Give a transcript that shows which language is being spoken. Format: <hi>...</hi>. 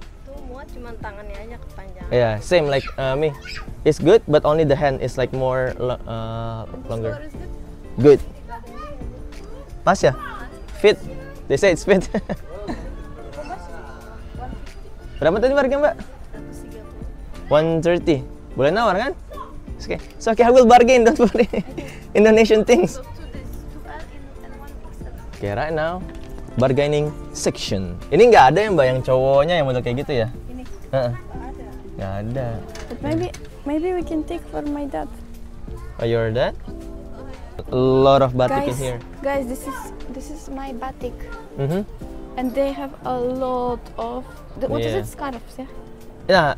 <id>Itu muat cuma tangannya aja kepanjangan.</id> <en>Yeah, same like me. It's good but only the hand is like more longer. Good.</en> <id>Pas ya?</id> <en>Fit. They say it's fit.</en> <id>Berapa tadi harganya, Mbak? 130. Boleh nawar kan?</id> <en>It's okay. It's okay, I will bargain, don't worry. Indonesian things. Okay, right now. Bargaining section.</en> <id>Ini enggak ada ya, Mbak, yang cowoknya yang model kayak gitu ya? Ini. Enggak ada.</id> <en>But maybe we can take for my dad. Oh, your dad? A lot of batik guys, in here. Guys, this is my batik. Mm-hmm. And they have a lot of what is it? Scarves, yeah.</en>